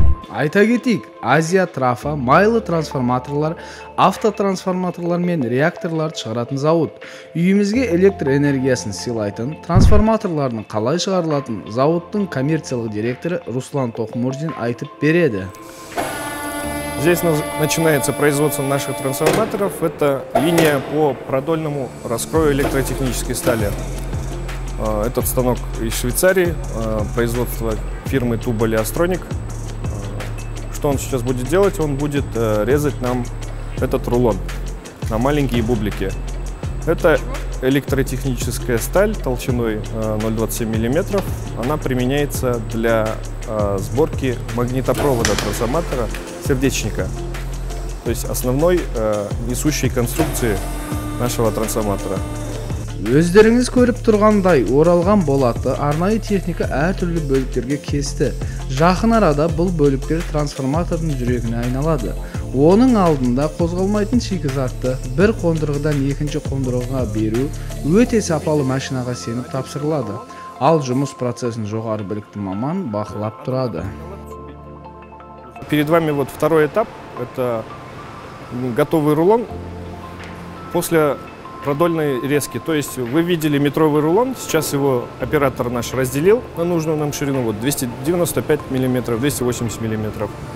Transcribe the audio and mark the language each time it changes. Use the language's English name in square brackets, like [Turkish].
[Kazakh] Айта кетейік, Азиатрафа майлы трансформаторлар, автотрансформаторлар мен реакторларды шығаратын зауыт. Үйімізге электр энергиясын сыйлайтын, трансформаторлардың қалай шығарылатын зауыттың коммерциялық директоры Руслан Тоқмурзин айтып береді. [Russian] Здесь начинается производство наших трансформаторов. Это линия по продольному раскрою электротехнической стали. Этот станок из Швейцарии, производство фирмы Tubal Astronic. Что он сейчас будет делать? Он будет резать нам этот рулон на маленькие бублики. Это электротехническая сталь толщиной 0,27 мм. Она применяется для сборки магнитопровода трансформатора сердечника, то есть основной несущей конструкции нашего трансформатора. [Kazakh] Өздеріңіз көріп тұрғандай, оралған болатты арнайы техника әртүрлі бөліктерге кесті. Жақын арада бұл бөліктер трансформатордың жүрегіне айналады. Оның алдында қозғалмайтын шикізатты бір қондырғыдан екінші қондырғыға беру өте сапалы машинаға сеніп тапсырылады. Ал жұмыс процесін жоғары білікті маман бақылап тұрады. [Russian] Перед вами вот второй этап. Это готовый рулон. После продольной резки, то есть вы видели метровый рулон, сейчас его оператор наш разделил на нужную нам ширину, вот 295 миллиметров, 280 миллиметров.